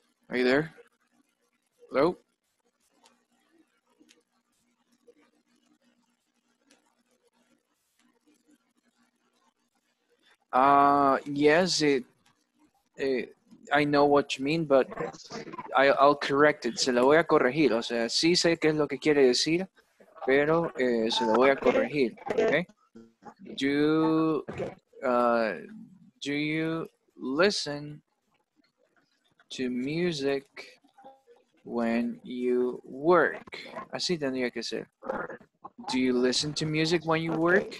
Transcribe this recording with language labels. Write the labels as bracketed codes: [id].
[en] Are you there? Hello? Yes, I know what you mean, but I'll correct it. [es] Se lo voy a corregir. O sea, sí sé qué es lo que quiere decir, pero se lo voy a corregir. [en] Okay? Do you listen to music when you work? [es] Así tendría que ser. [en] Do you listen to music when you work?